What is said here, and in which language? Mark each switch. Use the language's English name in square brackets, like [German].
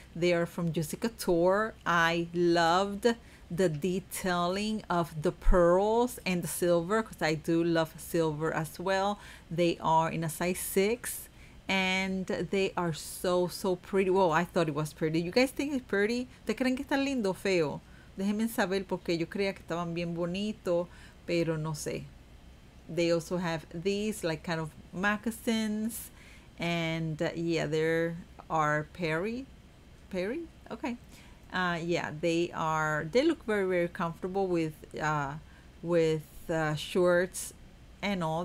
[English] They are from Juicy Couture. I loved the detailing of the pearls and the silver because I do love silver as well. They are in a size 6 and they are so pretty. Well, I thought it was pretty. You guys think it's pretty? [Spanish] ¿Te creen que está lindo o feo? Déjenme saber porque yo creía que estaban bien bonito, pero no sé. [English] They also have these like kind of moccasins, and yeah, there are Perry. Okay, yeah, they look very comfortable with shorts and all.